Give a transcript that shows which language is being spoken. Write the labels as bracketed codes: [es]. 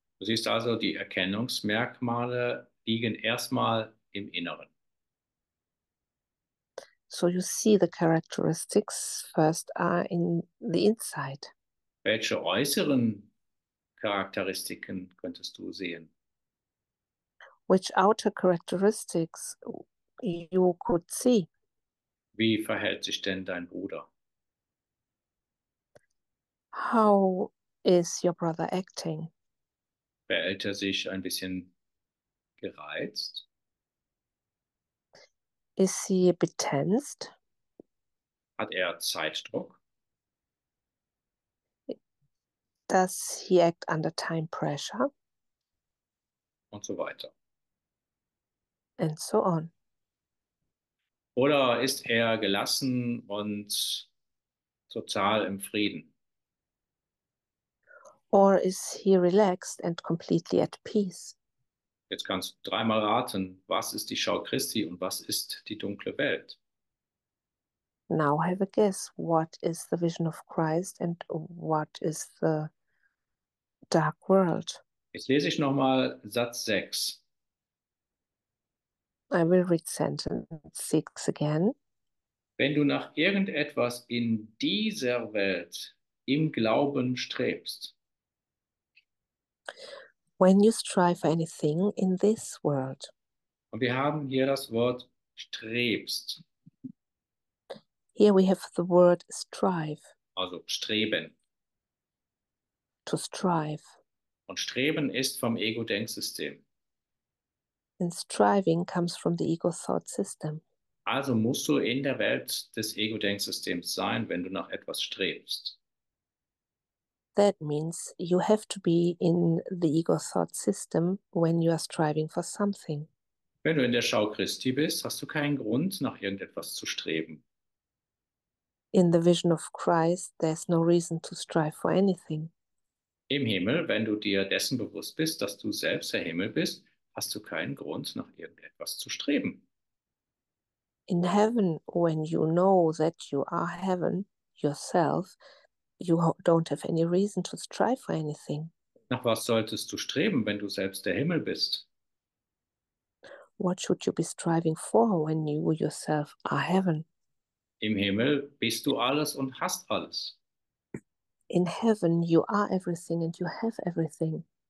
[de] Du siehst also, die Erkennungsmerkmale liegen erstmal im Inneren. [en] So you see the characteristics first are in the inside. [de] Welche äußeren Charakteristiken könntest du sehen? [en] Which outer characteristics you could see? [de] Wie verhält sich denn dein Bruder? [en] How is your brother acting? [de] Verhält er sich ein bisschen gereizt? [en] Is he a bit tensed? [de] Hat er Zeitdruck? [en] Does he act under time pressure? [de] Und so weiter. [en] And so on. [de] Oder ist er gelassen und total im Frieden? [en] Or is he relaxed and completely at peace? [de] Jetzt kannst du dreimal raten, was ist die Schau Christi und was ist die dunkle Welt? [en] Now have a guess. What is the vision of Christ and what is the dark world? [de] Jetzt lese ich nochmal Satz 6. [en] I will read sentence 6 again. [de] Wenn du nach irgendetwas in dieser Welt im Glauben strebst, [en] when you strive for anything in this world. [de] Und wir haben hier das Wort strebst. [en] Here we have the word strive. [de] Also streben. [en] To strive. [de] Und streben ist vom Ego-Denksystem. [en] And striving comes from the ego-thought system. [de] Also musst du in der Welt des Ego-Denksystems sein, wenn du nach etwas strebst. [en] That means you have to be in the ego thought system when you are striving for something. [de] Wenn du in der Schau Christi bist, hast du keinen Grund, nach irgendetwas zu streben. [en] In the vision of Christ, there's no reason to strive for anything. [de] Im Himmel, wenn du dir dessen bewusst bist, dass du selbst der Himmel bist, hast du keinen Grund, nach irgendetwas zu streben. [en] In heaven, when you know that you are heaven yourself, you don't have any reason to strive for anything. [de] Nach was solltest du streben, wenn du selbst der Himmel bist? [en] What should you be striving for when you yourself are heaven? [de] Im Himmel bist du alles und hast alles. [en] In heaven you are everything and you have everything.